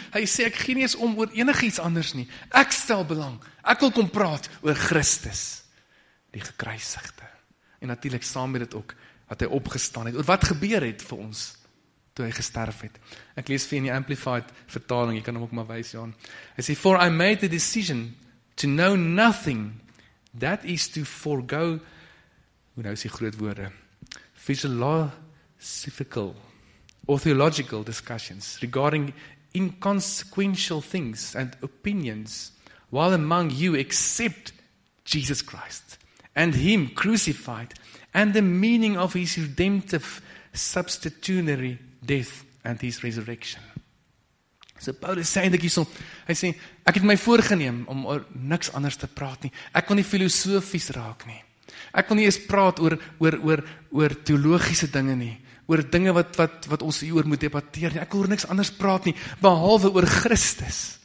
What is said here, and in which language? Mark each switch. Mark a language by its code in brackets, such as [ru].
[af] Hy sê, ek gee nie eens om oor enig iets anders nie. Ek stel belang. Ek wil kom praat oor Christus, die gekruisigde. En natuurlik saam met dit ook, wat hy opgestaan het, oor wat gebeur het vir ons, toe hy gesterf het. Ek lees vir in die Amplified vertaling, jy kan hom ook maar wys, Jan. Hy sê, [en] for I made the decision to know nothing, that is to forego, [af] hoe nou is die groot woorde, [en] philosophical, or theological discussions regarding inconsequential things and opinions while among you except Jesus Christ and him crucified, and the meaning of his redemptive substitutionary death and his resurrection. [af] So Paulus sê eintlik hierso, hy sê, ek het my voorgeneem om oor niks anders te praat nie. Ek wil nie filosofies raak nie. Ek wil nie eens praat oor teologiese dinge nie. Oor dinge wat ons hier oor moet debatteer nie. Ek wil oor niks anders praat nie, behalwe oor Christus.